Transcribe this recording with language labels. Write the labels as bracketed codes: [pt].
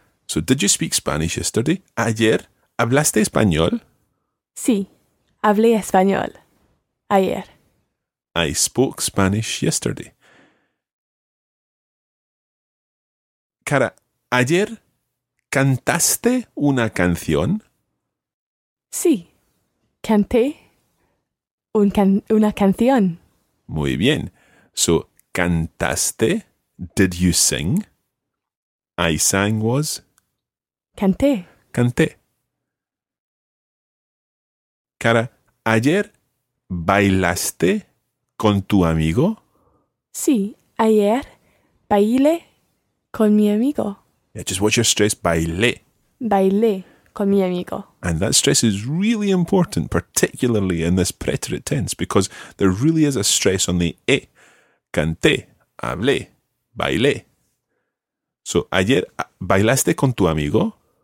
[en] So, did you speak Spanish yesterday? [es] Ayer, ¿hablaste español? Sí, hablé español ayer. [en] I spoke Spanish yesterday. [es] Cara, ¿ayer cantaste una canción? Sí, canté una canción. Muy bien. [en] So, ¿cantaste? Did you sing? I sang was? [es] Canté. Canté. Cara, ¿ayer bailaste con tu amigo? Sí, ayer bailé con mi amigo. [en] Yeah, just watch your stress, bailé. [es] Bailé con mi amigo. [en] And that stress is really important, particularly in this preterite tense, because there really is a stress on the e. [es] Canté, hablé, bailé. So, ayer, ¿bailaste con tu amigo?